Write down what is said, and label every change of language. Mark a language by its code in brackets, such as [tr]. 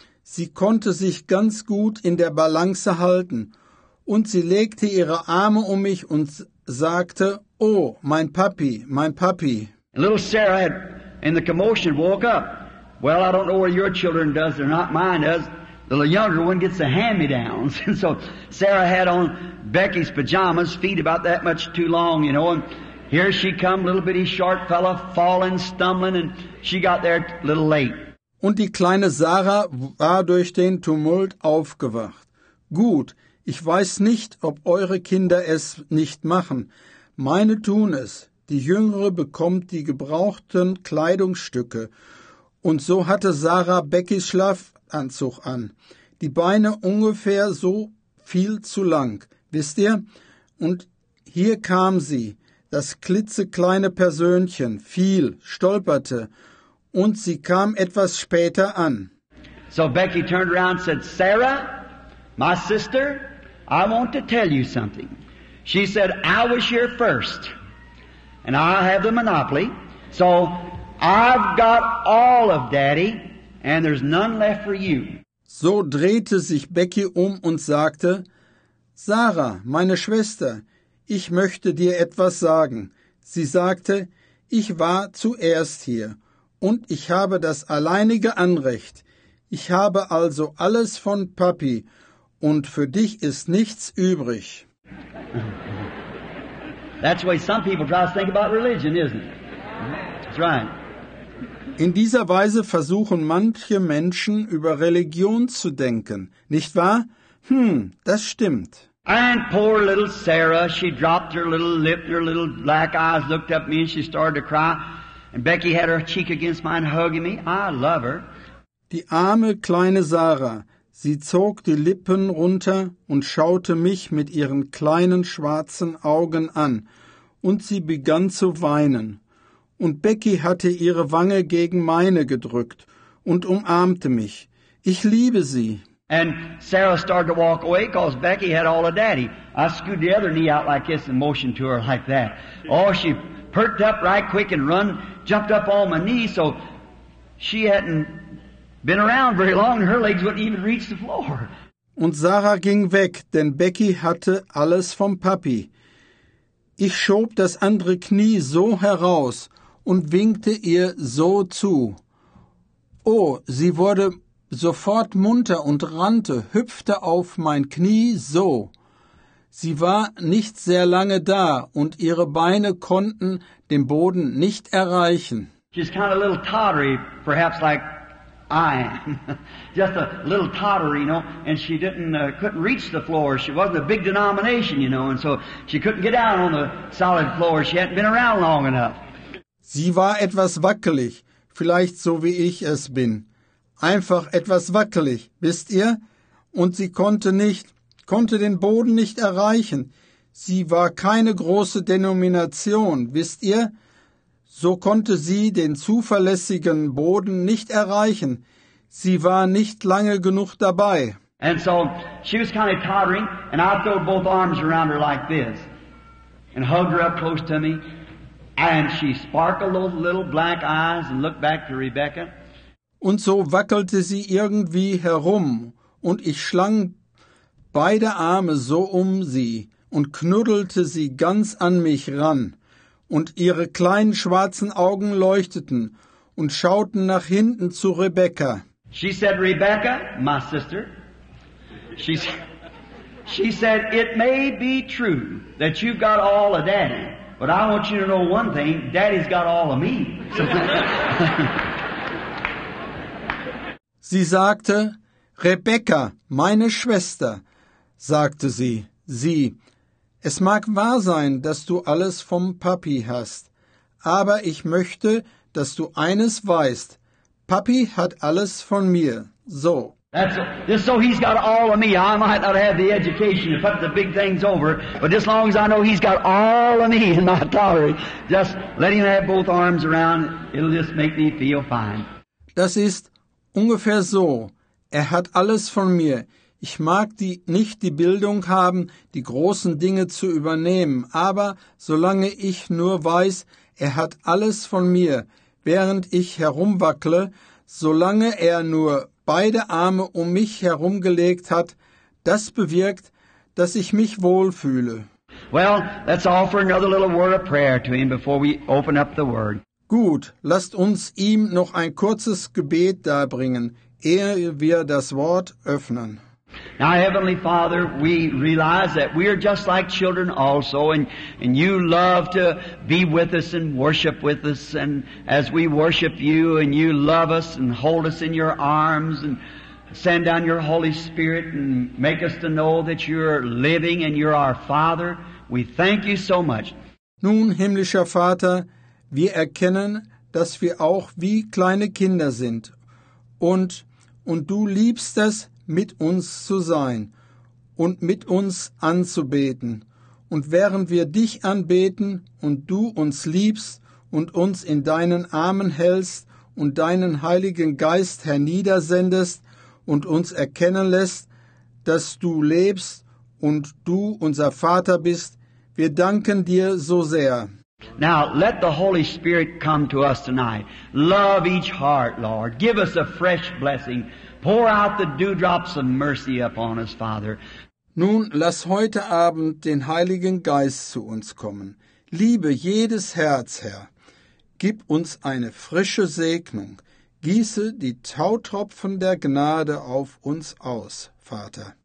[de] Sie konnte sich ganz gut in der Balance halten und sie legte ihre Arme um mich und sagte, oh, mein Papi, mein Papi. [en] Little Sarah had in the commotion woke up. Well, I don't know where your children does, they're not mine does. The younger one gets the hand-me-downs. And so Sarah had on Becky's pajamas, feet about that much too long, you know. And here she come, little bitty short fella, falling, stumbling, and she got there a little late. [de] Und die kleine Sarah war durch den Tumult aufgewacht. Gut, ich weiß nicht, ob eure Kinder es nicht machen. Meine tun es. Die Jüngere bekommt die gebrauchten Kleidungsstücke. Und so hatte Sarah Beckys Schlafanzug an. Die Beine ungefähr so viel zu lang, wisst ihr? Und hier kam sie, das klitzekleine Persönchen, fiel, stolperte, und sie kam etwas später an. [en] So Becky turned around and said, Sarah, my sister, I want to tell you something. She said, I was here first, and I have the monopoly, so I've got all of Daddy. And there's none left for you. [de] So drehte sich Becky um und sagte, Sarah, meine Schwester, ich möchte dir etwas sagen. Sie sagte, ich war zuerst hier und ich habe das alleinige Anrecht. Ich habe also alles von Papi und für dich ist nichts übrig. [en] That's the way some people try to think about religion, isn't it? That's right. [de] In dieser Weise versuchen manche Menschen über Religion zu denken, nicht wahr? Das stimmt. [en] And poor little Sarah, she dropped her little lip, her little black eyes, looked up at me and she started to cry. And Becky had her cheek against mine, hugging me. I love her. [de] Die arme kleine Sarah, sie zog die Lippen runter und schaute mich mit ihren kleinen schwarzen Augen an. Und sie begann zu weinen. Und Becky hatte ihre Wange gegen meine gedrückt und umarmte mich. Ich liebe sie. [en] And Sarah started to walk away because Becky had all of Daddy. I scooted the other knee out like this and motioned to her like that. Oh, she perked up right quick and run, jumped up on my knee, so she hadn't been around very long. Her legs wouldn't even reach the floor. [de] Und Sarah ging weg, denn Becky hatte alles vom Papi. Ich schob das andere Knie so heraus und winkte ihr so zu. Oh, sie wurde sofort munter und rannte, hüpfte auf mein Knie so. Sie war nicht sehr lange da und ihre Beine konnten den Boden nicht erreichen. [en] She's kind of a little tottery, perhaps like I am. Just a little tottery, you know, and she couldn't reach the floor. She wasn't a big denomination, you know, and so she couldn't get down on the solid floor. She hadn't been around long enough. [de] Sie war etwas wackelig, vielleicht so wie ich es bin. Einfach etwas wackelig, wisst ihr? Und sie konnte den Boden nicht erreichen. Sie war keine große Denomination, wisst ihr? So konnte sie den zuverlässigen Boden nicht erreichen. Sie war nicht lange genug dabei. [en] And so she was kind of tottering, and I threw both arms around her like this and hugged her up close to me. And she sparkled those little black eyes and looked back to Rebecca. [de] Und so wackelte sie irgendwie herum und ich schlang beide Arme so um sie und knuddelte sie ganz an mich ran und ihre kleinen schwarzen Augen leuchteten und schauten nach hinten zu Rebecca. [en] She said, Rebecca, my sister, she said, it may be true that you've got all of Daddy, but I want you to know one thing, Daddy's got all of me. So, [de] sie sagte, Rebecca, meine Schwester, sagte sie, es mag wahr sein, dass du alles vom Papi hast, aber ich möchte, dass du eines weißt, Papi hat alles von mir, so. [en] That's just so he's got all of me. I might not have the education to put the big things over, but as long as I know he's got all of me in my tolerance, just let him have both arms around, it'll just make me feel fine. [de] Das ist ungefähr so. Er hat alles von mir. Ich mag nicht die Bildung haben, die großen Dinge zu übernehmen, aber solange ich nur weiß, er hat alles von mir, während ich herumwackle, solange er nur beide Arme um mich herumgelegt hat, das bewirkt, dass ich mich wohlfühle. [en] Well, let's offer another little word of prayer to him before we open up the word. [de] Gut, lasst uns ihm noch ein kurzes Gebet darbringen, ehe wir das Wort öffnen. [en] Now, Heavenly Father, we realize that we are just like children also, and you love to be with us and worship with us, and as we worship you, and you love us and hold us in your arms, and send down your Holy Spirit and make us to know that you're living and you're our Father. We thank you so much. [de] Nun, himmlischer Vater, wir erkennen, dass wir auch wie kleine Kinder sind und du liebst es, mit uns zu sein und mit uns anzubeten. Und während wir dich anbeten und du uns liebst und uns in deinen Armen hältst und deinen Heiligen Geist herniedersendest und uns erkennen lässt, dass du lebst und du unser Vater bist, wir danken dir so sehr. [en] Now, let the Holy Spirit come to us tonight. Love each heart, Lord. Give us a fresh blessing. Pour out the dewdrops of mercy upon us, Father. [de] Nun, lass heute Abend den Heiligen Geist zu uns kommen. Liebe jedes Herz, Herr. Gib uns eine frische Segnung. Gieße die Tautropfen der Gnade auf uns aus, Vater.